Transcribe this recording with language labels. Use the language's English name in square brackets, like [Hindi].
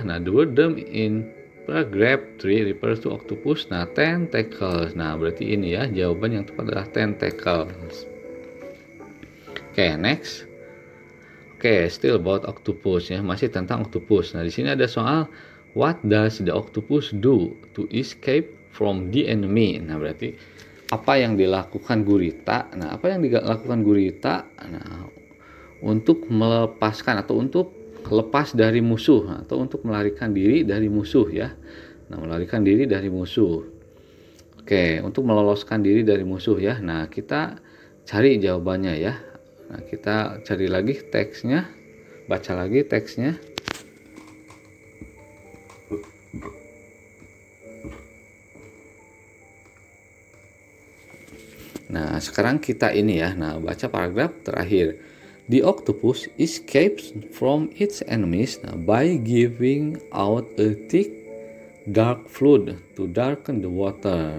[English] Nah, the word them in grape tree refers to octopus. Nah, tentacles. [Indonesian] Nah, berarti ini ya jawaban yang tepat adalah tentacles. [English] Oke, okay, next. Oke, okay, still about octopus [Indonesian] ya, masih tentang [English] octopus. [Indonesian] Nah, di sini ada soal [English] what does the octopus do to escape from the enemy? [Indonesian] Nah, berarti apa yang dilakukan gurita? Nah, apa yang dilakukan gurita? Nah, untuk melepaskan atau untuk lepas dari musuh atau untuk melarikan diri dari musuh ya. Nah, melarikan diri dari musuh. Oke, untuk meloloskan diri dari musuh ya. Nah, kita cari jawabannya ya. Nah, kita cari lagi teksnya. Baca lagi teksnya. Nah, sekarang kita ini ya. Nah, baca paragraf terakhir. [English] The octopus escapes from its enemies by giving out a thick dark fluid to darken the water.